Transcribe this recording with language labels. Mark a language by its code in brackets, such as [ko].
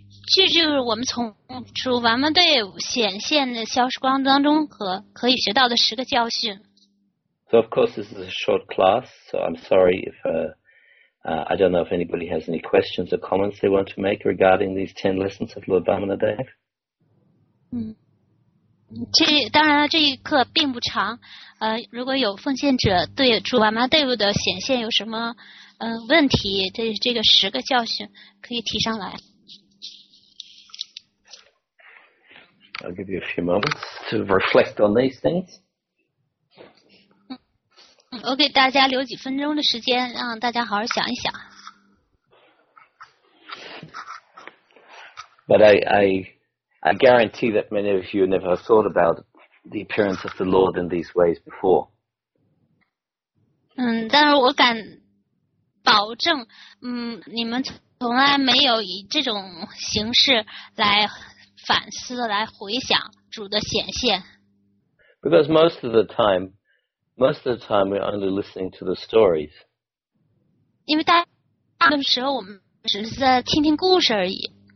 [zh] 这就是我们从主 Vamanadeva 显现的消失光当中可以学到的十个教训。 [en] So of course this is a short class, so I'm sorry if I don't know if anybody has any questions or comments they want to make regarding these 10 lessons of Lord Vamanadeva. [zh] 这当然了，这一课并不长。如果有奉献者对主 Vamanadeva 的显现有什么问题，对这个十个教训可以提上来。 [en] I'll give you a few moments to reflect on these things. [zh] 我给大家留几分钟的时间，让大家好好想一想。 [en] But I guarantee that many of you never thought about the appearance of the Lord in these ways before. [zh] 但是我敢保证，你们从来没有以这种形式来反思、来回想主的显现。 [en] Because most of the time, we're only listening to the stories. [zh] 因为大部分时候我们只是在听听故事而已。